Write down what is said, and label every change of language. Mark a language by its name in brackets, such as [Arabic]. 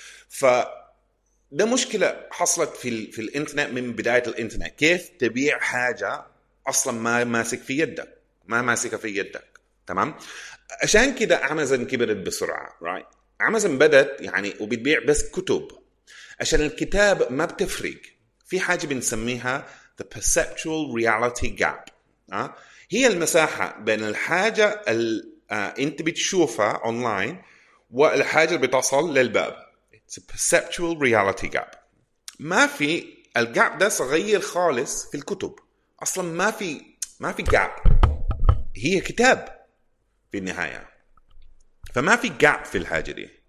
[Arabic] فده مشكلة حصلت في الانترنت من بداية الانترنت، كيف تبيع حاجة اصلا ما ماسك في يدك، ما ماسكة في يدك، تمام؟ عشان كده امازون كبرت بسرعة، right؟ امازون بدت يعني وبتبيع بس كتب، عشان الكتاب ما بتفرق. في حاجة بنسميها [English] the perceptual reality gap، [Arabic] هي المساحة بين الحاجة اللي انت بتشوفها online والحاجة اللي بتصل للباب. [English] it's a perceptual reality gap. [Arabic] ما في الجاب ده صغير خالص في الكتب اصلا، ما في جاب، هي كتاب في النهاية، فما في جاب في الحاجة دي.